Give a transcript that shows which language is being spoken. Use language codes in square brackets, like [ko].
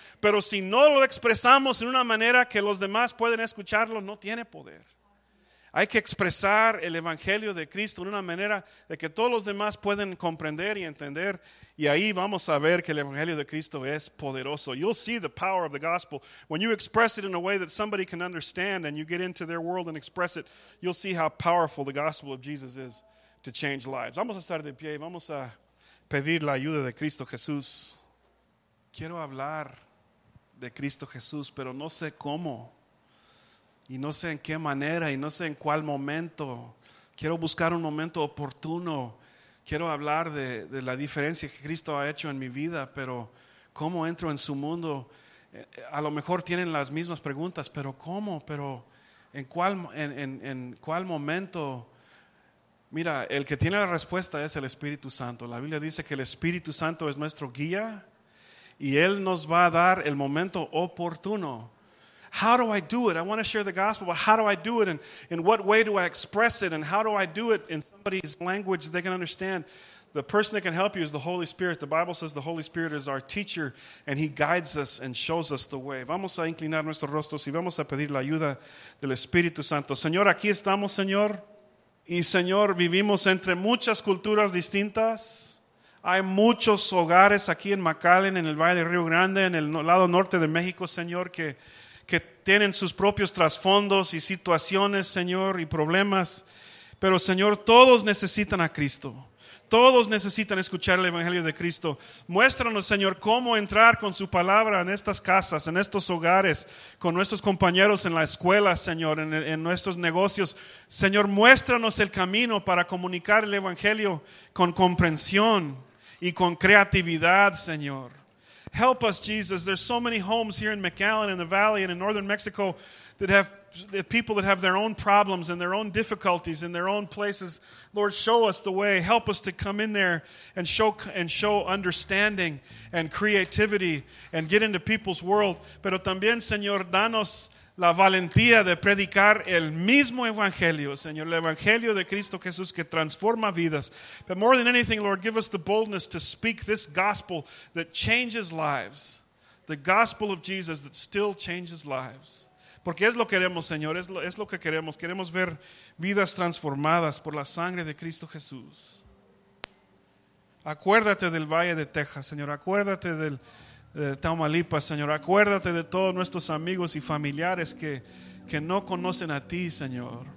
[es] Pero si no lo expresamos en una manera que los demás pueden escucharlo, no tiene poder. Hay que expresar el Evangelio de Cristo en una manera de que todos los demás pueden comprender y entender. Y ahí vamos a ver que el Evangelio de Cristo es poderoso. [en] You'll see the power of the gospel. When you express it in a way that somebody can understand and you get into their world and express it, you'll see how powerful the gospel of Jesus is to change lives. [es] Vamos a estar de pie y vamos a pedir la ayuda de Cristo Jesús. Quiero hablar de Cristo Jesús, pero no sé cómo. Y no sé en qué manera y no sé en cuál momento. Quiero buscar un momento oportuno. Quiero hablar de la diferencia que Cristo ha hecho en mi vida, pero ¿cómo entro en su mundo? A lo mejor tienen las mismas preguntas, pero ¿cómo? ¿Pero en cuál momento? Mira, el que tiene la respuesta es el Espíritu Santo. La Biblia dice que el Espíritu Santo es nuestro guía y Él nos va a dar el momento oportuno. [en] How do I do it? I want to share the gospel, but how do I do it? And in what way do I express it? And how do I do it in somebody's language they can understand? The person that can help you is the Holy Spirit. The Bible says the Holy Spirit is our teacher, and He guides us and shows us the way. [es] Vamos a inclinar nuestros rostros y vamos a pedir la ayuda del Espíritu Santo. Señor, aquí estamos, Señor. Y Señor, vivimos entre muchas culturas distintas. Hay muchos hogares aquí en McAllen, en el Valle de Río Grande, en el lado norte de México, Señor, que tienen sus propios trasfondos y situaciones, Señor, y problemas. Pero, Señor, todos necesitan a Cristo. Todos necesitan escuchar el Evangelio de Cristo. Muéstranos, Señor, cómo entrar con su palabra en estas casas, en estos hogares, con nuestros compañeros en la escuela, Señor, en nuestros negocios. Señor, muéstranos el camino para comunicar el Evangelio con comprensión y con creatividad, Señor. [en] Help us, Jesus. There's so many homes here in McAllen, in the valley, and in northern Mexico that have people that have their own problems and their own difficulties in their own places. Lord, show us the way. Help us to come in there and show understanding and creativity and get into people's world. [es] Pero también, Señor, danos la valentía de predicar el mismo evangelio, Señor, el evangelio de Cristo Jesús que transforma vidas. [en] But more than anything, Lord, give us the boldness to speak this gospel that changes lives, the gospel of Jesus that still changes lives. [es] Porque es lo que queremos, Señor, es lo que queremos. Queremos ver vidas transformadas por la sangre de Cristo Jesús. Acuérdate del Valle de Texas, Señor. Acuérdate de Tamaulipas, Señor. Acuérdate de todos nuestros amigos y familiares que no conocen a ti, Señor.